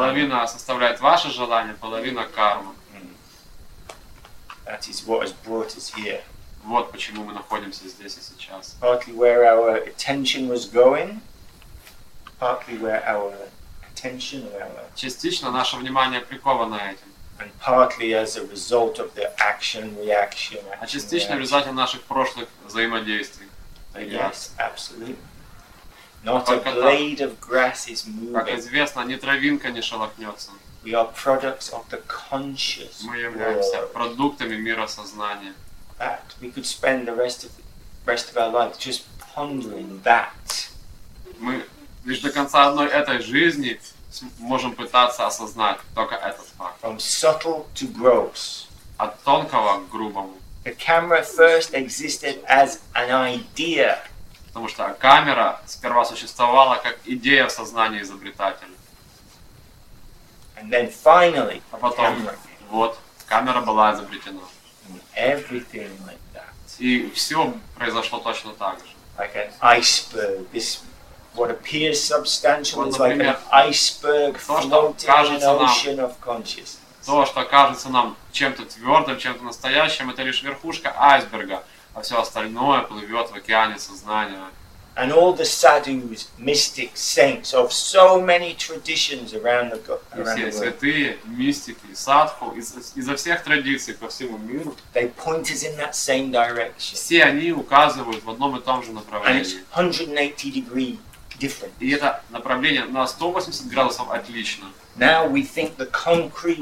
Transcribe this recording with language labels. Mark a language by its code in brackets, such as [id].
[en] Do you want to learn something in this country? That is what has brought us here. [ru] Вот почему мы находимся здесь и сейчас. [en] Partly where our attention was going, partly where our attention was. [ru] Частично наше внимание приковано этим. [en] And partly as a result of the action, reaction. [ru] А частично в результате наших прошлых взаимодействий. [en] Yes, absolutely. Not a blade of grass is moving. [ru] Как известно, ни травинка не шелохнется. [en] We are products of the conscious world. [ru] Мы являемся продуктами мира сознания. [en] That we could spend the rest of our life just pondering that. [ru] Мы лишь до конца одной этой жизни можем пытаться осознать только этот факт. [en] From subtle to gross. [ru] От тонкого к грубому. [en] The camera first existed as an idea. [ru] Потому что камера сперва существовала как идея в сознании изобретателя. [en] And then finally, [ru] а потом, вот, камера была изобретена. [en] Everything like that. [ru] И все произошло точно так же. [en] Like an iceberg. This what appears substantial [ru] вот, например, [en] is like an iceberg floating in an ocean of consciousness. [ru] То, что кажется нам чем-то твердым, чем-то настоящим, это лишь верхушка айсберга, а все остальное плывет в океане сознания. [en] And all the sadhus, mystics, saints of so many traditions around the world. [ru] Все святые, мистики, садху изо всех традиций по всему миру. [en] They point us in that same direction. [ru] Все они указывают в одном и том же направлении. [en] And it's 180 degree different. [ru] И это направление на 180 градусов отлично. [en] Now we think the concrete.